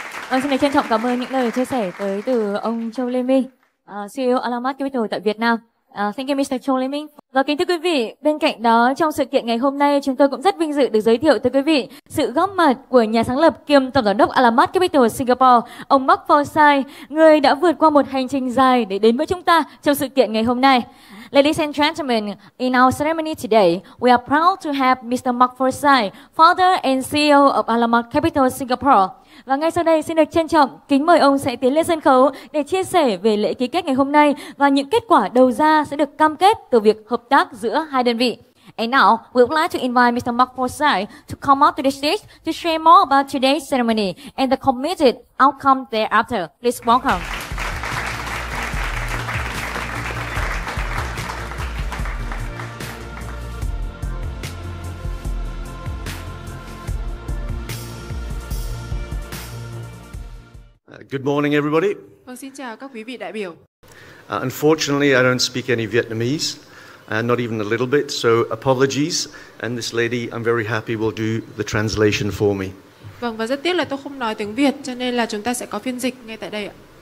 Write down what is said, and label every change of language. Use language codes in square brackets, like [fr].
[vi] Vâng, xin được trân trọng cảm ơn những lời chia sẻ tới từ ông Châu Lê Minh, CEO Alamat Capital tại Việt Nam. [en] Thank you Mr. Châu Lê Minh. [vi] Và kính thưa quý vị, bên cạnh đó, trong sự kiện ngày hôm nay, chúng tôi cũng rất vinh dự được giới thiệu tới quý vị sự góp mặt của nhà sáng lập kiêm tổng giám đốc Alamat Capital Singapore, ông Mark Forsyth, người đã vượt qua một hành trình dài để đến với chúng ta trong sự kiện ngày hôm nay. [en] Ladies and gentlemen, in our ceremony today, we are proud to have Mr. Mark Forsyth, founder and CEO of Alamat Capital Singapore. [vi] Và ngay sau đây xin được trân trọng kính mời ông sẽ tiến lên sân khấu để chia sẻ về lễ ký kết ngày hôm nay và những kết quả đầu ra sẽ được cam kết từ việc hợp tác giữa hai đơn vị. [en] And now, we would like to invite Mr. Mark Forsyth to come up to the stage to share more about today's ceremony and the committed outcome thereafter. Please welcome. Good morning, everybody. [vi] Vâng, xin chào các quý vị đại biểu. [en] Unfortunately, I don't speak any Vietnamese, not even a little bit, so apologies. And this lady, I'm very happy, will do the translation for me. [vi] Vâng, và rất tiếc là tôi không nói tiếng Việt, cho nên là chúng ta sẽ có phiên dịch ngay tại đây ạ.